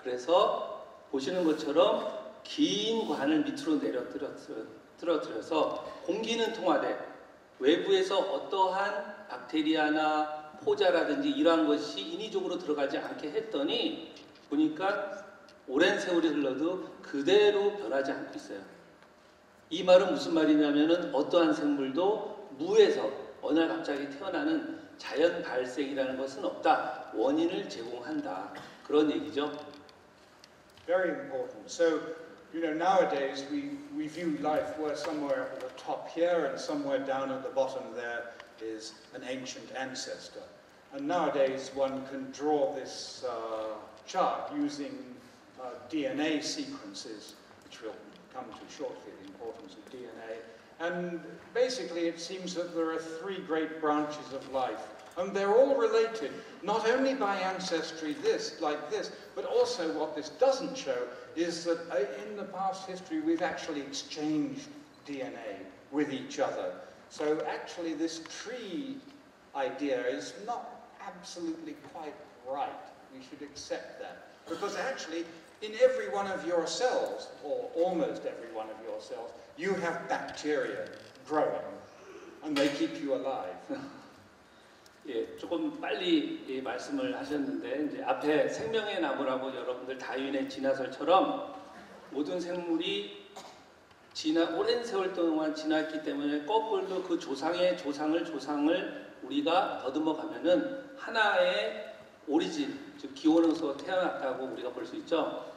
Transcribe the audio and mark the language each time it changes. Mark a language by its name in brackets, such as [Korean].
[Korean] 그래서 보시는 것처럼 긴 관을 밑으로 내려 뜨러뜨려서 공기는 통하되 외부에서 어떠한 박테리아나 포자라든지 이러한 것이 인위적으로 들어가지 않게 했더니 보니까 오랜 세월이 흘러도 그대로 변하지 않고 있어요. 이 말은 무슨 말이냐면은 어떠한 생물도 무에서 어느 날 갑자기 태어나는 자연 발생이라는 것은 없다. 원인을 제공한다. 그런 얘기죠. [English] Very important. So, you know, nowadays we view life where somewhere at the top here and somewhere down at the bottom there is an ancient ancestor. And nowadays one can draw this chart using DNA sequences, which we'll come to shortly, the importance of DNA. And basically it seems that there are three great branches of life. And they're all related, not only by ancestry this, like this, but also what this doesn't show is that in the past history we've actually exchanged DNA with each other. So actually this tree idea is not absolutely quite right. We should accept that. Because actually in every one of your cells, or almost every one of your cells, you have bacteria growing and they keep you alive. [Korean] 예, 조금 빨리 예, 말씀을 하셨는데 이제 앞에 생명의 나무라고 여러분들 다윈의 진화설처럼 모든 생물이 오랜 세월 동안 지났기 때문에 거꾸로 그 조상의 조상을 우리가 더듬어 가면은 하나의 오리진, 즉 기원으로서 태어났다고 우리가 볼 수 있죠.